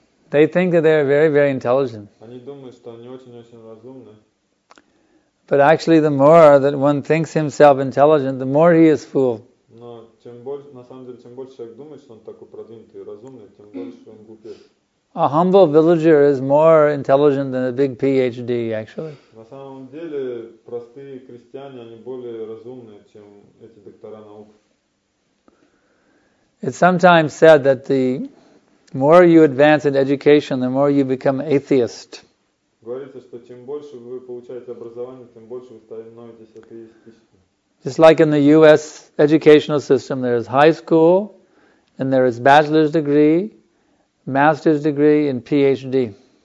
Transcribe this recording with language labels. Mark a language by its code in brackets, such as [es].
[en] They think that they are very, very intelligent. [ru] Они думают, что они очень-очень разумны. [en] But actually, the more that one thinks himself intelligent, the more he is fool. [ru] Но чем больше, на самом деле, чем больше человек думает, что он такой продвинутый и разумный, тем больше он глупец. [en] A humble villager is more intelligent than a big PhD, actually. [ru] На самом деле, простые крестьяне, они более разумные, чем эти доктора наук. [en] It's sometimes said that the more you advance in education, the more you become atheist. [ru] Говорится, что чем больше вы получаете образование, тем больше вы становитесь атеистичным. [en] Just like in the US educational system, there is high school, and there is bachelor's degree, master's degree, and PhD.